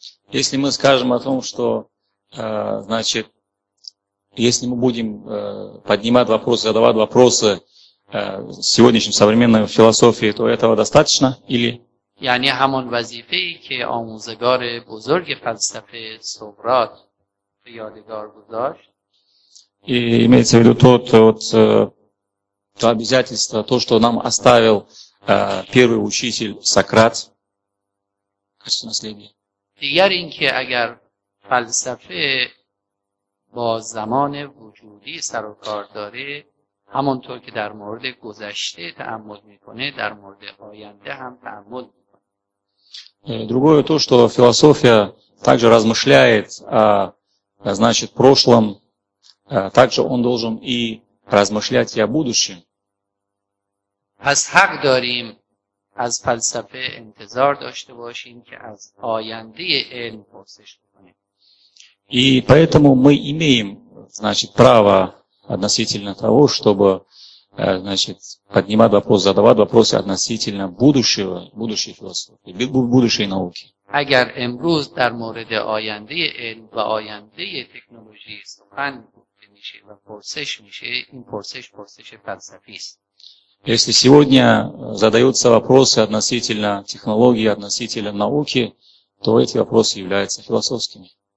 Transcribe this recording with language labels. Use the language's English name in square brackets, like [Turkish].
[Russian] Если мы скажем о том, что, значит, если мы будем поднимать вопросы, задавать вопросы сегодняшним современной философии, то этого достаточно или... [Persian] یعنی همون وظیفه‌ای که آموزگار بزرگ فلسفه سقراط به یادگار گذاشت. [Russian] Имеется в виду то обязательство, то, что нам оставил первый учитель Сократ, качество наследия. [Persian] دیگر اینکه اگر فلسفه با زمان وجودی سر و کار داره، همونطور که در مورد گذشته تأمل میکنه، در مورد آینده هم تأمل میکنه. [Russian] Другое то, что философия также размышляет о значит, прошлом, также он должен и размышлять и о будущем. [Persian] پس حق داریم از فلسفه انتظار داشته باشیم که از آینده علم پرسش کنیم. [Russian] И поэтому мы имеем, значит, право относительно того, чтобы, значит, поднимать вопрос, задавать вопросы относительно будущего, будущей философии, будущей науки. [Persian] اگر امروز در مورد آینده علم و آینده تکنولوژی سخن گفته میشه و پرسش میشه، این پرسش پرسش فلسفی است. [Russian] Если сегодня задаются вопросы относительно технологии, относительно науки, то эти вопросы являются философскими.